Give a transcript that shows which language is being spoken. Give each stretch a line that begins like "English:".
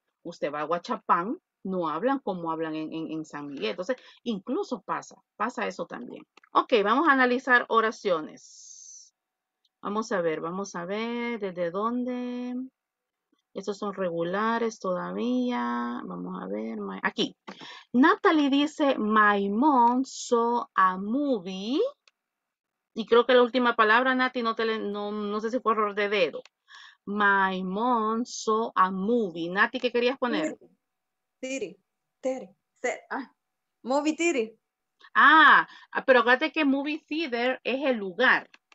Spanish: Usted va a Huachapán, no hablan como hablan en San Miguel. Entonces, incluso pasa eso también. Ok, vamos a analizar oraciones. Vamos a ver desde dónde. Estos son regulares todavía. Vamos a ver. Aquí.
English: Natalie dice, my mom saw a movie.
Spanish: Y creo que la última palabra, Nati, no sé si fue error de dedo.
English: My mom saw a movie. Nati, ¿qué querías poner? Movie theater.
Spanish: Ah, pero acuérdate que movie theater es el lugar.